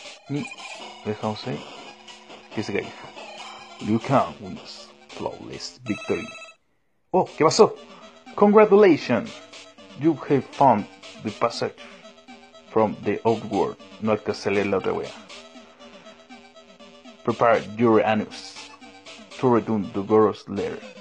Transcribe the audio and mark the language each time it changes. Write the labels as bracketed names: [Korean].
[Spanish] Y dejamos ahí que se caiga. [English] Liu Kang wins flawless victory. Oh, [Spanish] ¿qué pasó? [English] Congratulations! You have found the passage from the outworld. [Spanish] No alcancé a leer la otra wea. [English] Prepare your anus to return to Goro's lair.